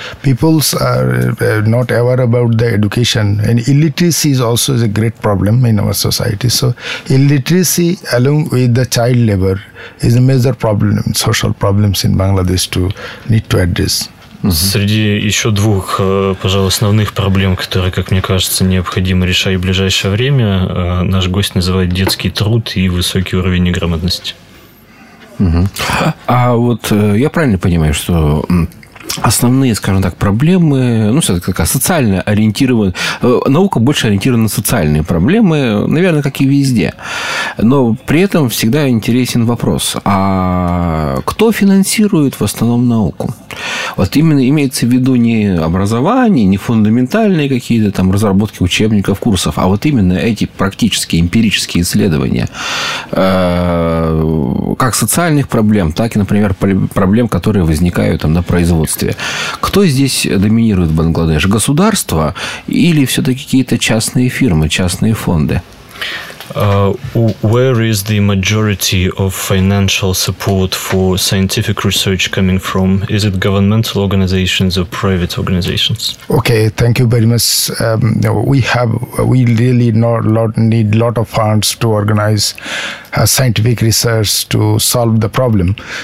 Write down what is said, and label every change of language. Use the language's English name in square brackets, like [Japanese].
[English] People are not aware about their education, and illiteracy is also a great problem in our society. So illiteracy along with the child labor is a major problem, social problems in Bangladesh to need to address. [Russian] Среди еще двух, пожалуй, основных проблем, которые, как мне кажется, необходимо решать в ближайшее время, наш гость называет детский труд и высокий уровень неграмотности. А вот я правильно понимаю, что основные, скажем так, проблемы, все-таки такая социально ориентированная, наука больше ориентирована на социальные проблемы, наверное, как и везде. Но при этом всегда интересен вопрос, а кто финансирует в основном науку? Вот именно имеется в виду не образование, не фундаментальные какие-то там разработки учебников, курсов, а вот именно эти практические, эмпирические исследования как социальных проблем, так и, например, проблем, которые возникают там на производстве. Кто здесь доминирует в Бангладеш? Государство или все-таки какие-то частные фирмы, частные фонды? [English] Where is the majority of financial support for scientific research coming from? Is it governmental organizations or private organizations? Okay, thank you very much. We really need a lot of funds to organize scientific research to solve the problem.